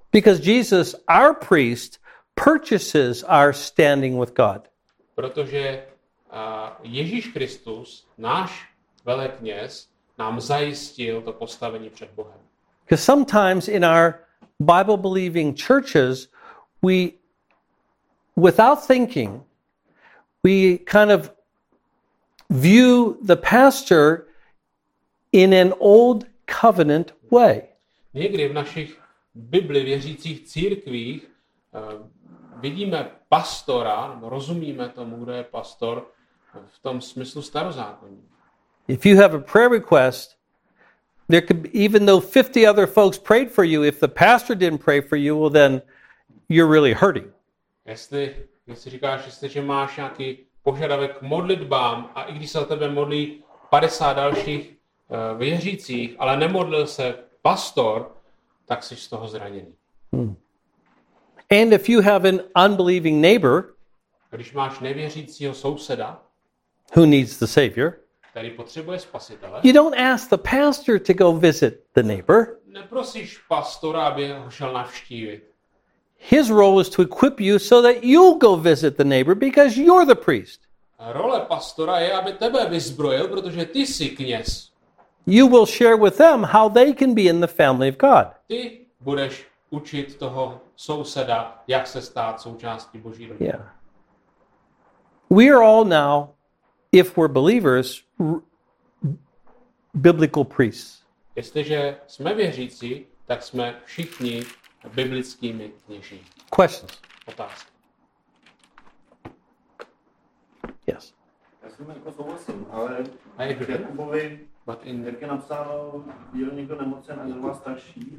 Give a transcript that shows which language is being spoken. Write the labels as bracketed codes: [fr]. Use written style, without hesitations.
[en] Because Jesus, our priest, purchases our standing with God. [cs] Protože Ježíš Kristus, náš velekněz, nám zajistil to postavení před Bohem. [en] Because sometimes in our Bible believing churches, we, without thinking, we kind of view the pastor in an old covenant way. [cs] Někdy v našich Bibli věřících církvích vidíme pastora, rozumíme tomu, kdo je pastor v tom smyslu starozákonní. [en] If you have a prayer request, there could be, even though 50 other folks prayed for you, if the pastor didn't pray for you, well then you're really hurting. [cs] Jestli říkáš, že máš nějaký požadavek k modlitbám a i když se za tebe modlí 50 dalších věřících, ale nemodlil se pastor, tak jsi z toho zraněný. [en] And if you have an unbelieving neighbor, [cs] když máš nevěřícího souseda, [en] who needs the savior, [cs] který potřebuje spasitele. [en] You don't ask the pastor to go visit the neighbor. [cs] Neprosíš pastora, aby ho šel navštívit. [en] His role is to equip you so that you go visit the neighbor because you're the priest. [cs] Role pastora je, aby tebe vyzbrojil, protože ty jsi kněz. [en] You will share with them how they can be in the family of God. [cs] Ty budeš učit toho souseda, jak se stát součástí Boží rodiny. [en] Yeah. We are all now, if we're believers, biblical priests. [cs] Jestliže jsme věřící, tak jsme všichni biblickými kněží. [en] Questions. [cs] Otázky. [en] Yes. [cs] Já jsem jako souhlasím, ale Jakubovi je napsáno, byl někdo nemocen a zrovna starší,